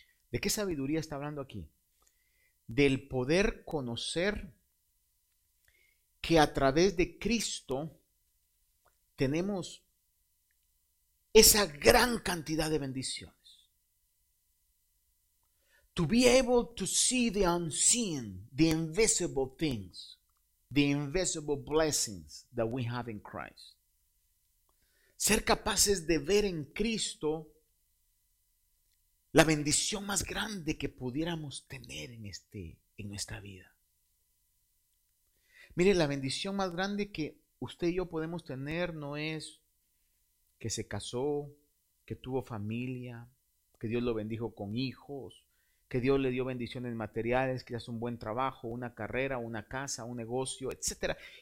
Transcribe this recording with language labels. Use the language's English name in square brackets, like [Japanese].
[Spanish] ¿De qué sabiduría está hablando aquí? Del poder conocer que a través de Cristo tenemos esa gran cantidad de bendiciones. [English] To be able to see the unseen, the invisible things. The invisible blessings that we have in Christ. [Spanish] Ser capaces de ver en Cristo la bendición más grande que pudiéramos tener en nuestra vida. Mire, la bendición más grande que usted y yo podemos tener no es que se casó, que tuvo familia, que Dios lo bendijo con hijos, que Dios le dio bendiciones materiales, que hace un buen trabajo, una carrera, una casa, un negocio, etc.